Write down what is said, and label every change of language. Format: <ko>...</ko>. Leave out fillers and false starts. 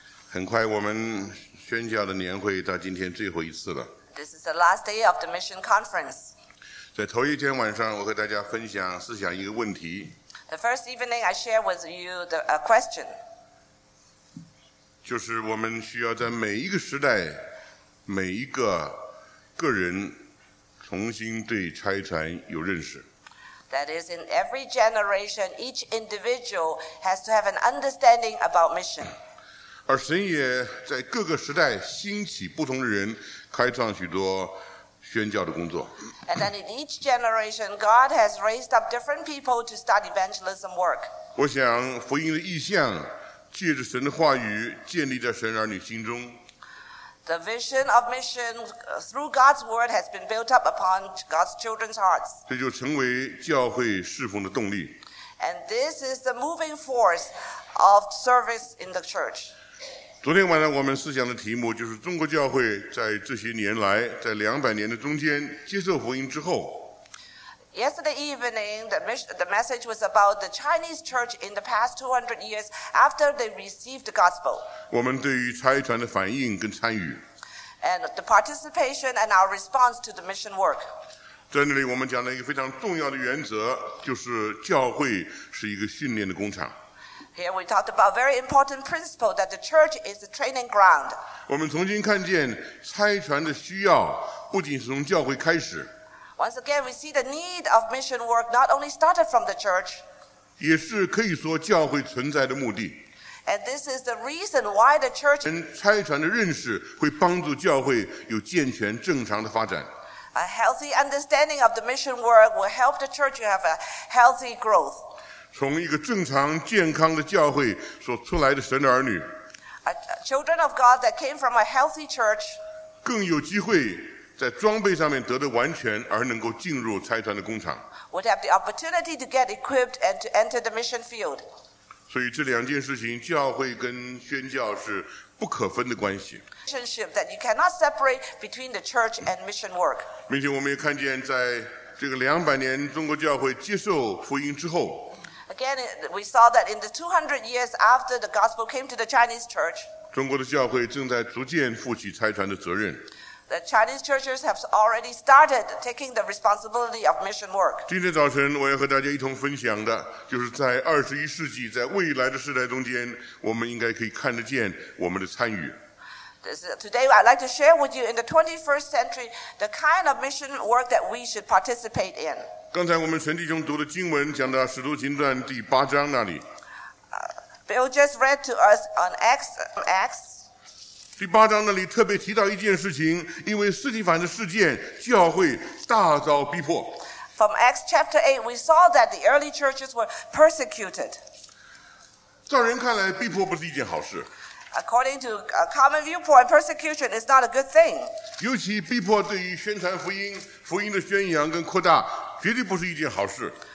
<zh>很快，我们宣教的年会到今天最后一次了。</zh> <en>This is the last day of the mission conference.</en> <zh>在头一天晚上，我和大家分享思想一个问题。</zh> <en>The first evening, I share with you a question.</en> <zh>就是我们需要在每一个时代、每一个个人重新对差传有认识。</zh> <en>That is, in every generation, each individual has to have an understanding about mission.</en> <zh>而神也在各个时代兴起不同的人，开创许多宣教的工作。</zh> <en>And then in each generation, God has raised up different people to start evangelism work.</en> <zh>我想福音的意象借着神的话语建立在神儿女心中。</zh> <en>The vision of mission through God's word has been built up upon God's children's hearts.</en> <zh>这就成为教会侍奉的动力。</zh> <en>And this is the moving force of service in the church.</en> <zh>昨天晚上我们思想的题目就是中国教会在这些年来，在两百年的中间接受福音之后。</zh> <en>Yesterday evening, the message was about the Chinese church in the past 200 years after they received the gospel.</en> <zh>我们对于差传的反应跟参与。</zh> <en>And the participation and our response to the mission work.</en> <zh>在那里我们讲了一个非常重要的原则，就是教会是一个训练的工厂。</zh> <en>Here we talked about a very important principle that the church is a training ground.</en> <zh>我们重新看见差传的需要不仅是从教会开始。</zh> <en>Once again, we see the need of mission work not only started from the church,</en> <zh>也是可以说教会存在的目的。</zh> <en>And this is the reason why the church.</en> <zh>差传的认识会帮助教会有健全正常的发展。</zh> <en>A healthy understanding of the mission work will help the church to have a healthy growth.</en> <zh>从一个正常健康的教会所出来的神的儿女。</zh> <en>Children of God that came from a healthy church.</en> <zh>更有机会。在装备上面得的完全，而能够进入差传的工厂。</zh> <en>Would have the opportunity to get equipped and to enter the mission field.</en> <zh>所以这两件事情，教会跟宣教是不可分的关系。</zh> <en>Relationship that you cannot separate between the church and mission work.</en> <zh>并且我们也看见，在这个两百年中国教会接受福音之后。</zh> <en>Again, we saw that in the 200 years after the gospel came to the Chinese church.</en> <zh>中国的教会正在逐渐负起差传的责任。</zh> <en>The Chinese churches have already started taking the responsibility of mission work.</en> <zh>今天早晨我要和大家一同分享的，就是在二十一世纪，在未来的时代中间，我们应该可以看得见我们的参与。</zh> <en>Today, I'd like to share with you in the 21st century the kind of mission work that we should participate in.</en> <zh>刚才我们陈弟兄读的经文讲到《使徒行传》第八章那里。</zh> <en>Bill just read to us on Acts.</en> <zh>第八章那里特别提到一件事情，因为斯提凡的事件，教会大遭逼迫。</zh> <en>From Acts chapter 8, we saw that the early churches were persecuted.</en> <zh>在人看来，逼迫不是一件好事。</zh> <en>According to a common viewpoint, persecution is not a good thing.</en> <zh>尤其逼迫对于宣传福音、福音的宣扬跟扩大，绝对不是一件好事。</zh>